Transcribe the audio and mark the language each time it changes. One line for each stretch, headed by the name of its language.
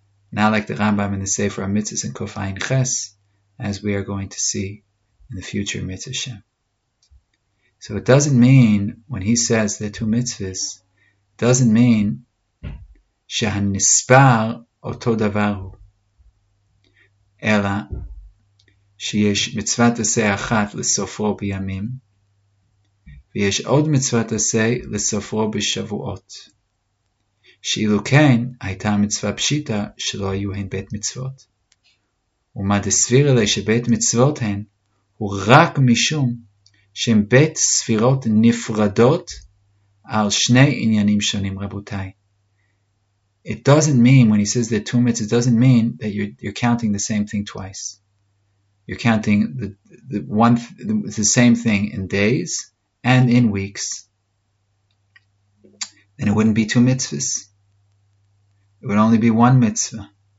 English: Not like the Rambam in the Sefer HaMitzvahs and Kof Ayin Ches, as we are going to see in the future Mitzvah Shem. So it doesn't mean, when he says there are two mitzvahs, doesn't mean
Hebrew: Shehanispar Oto Davaru. Ela שיש מצוות עשה אחת לסופרו בימים, ויש עוד מצוות עשה לסופרו בשבועות. שאילו כן, הייתה מצווה פשיטה שלא היו הן בית מצוות. ומה דסביר אלי שבית מצוות הן, הוא רק משום שהן בית ספירות נפרדות על שני עניינים שונים רבותיי.
English: It doesn't mean, when he says the two mitzvot, it doesn't mean that you're counting the same thing twice. You're counting the same thing in days and in weeks, then it wouldn't be two mitzvahs. It would only be one mitzvah.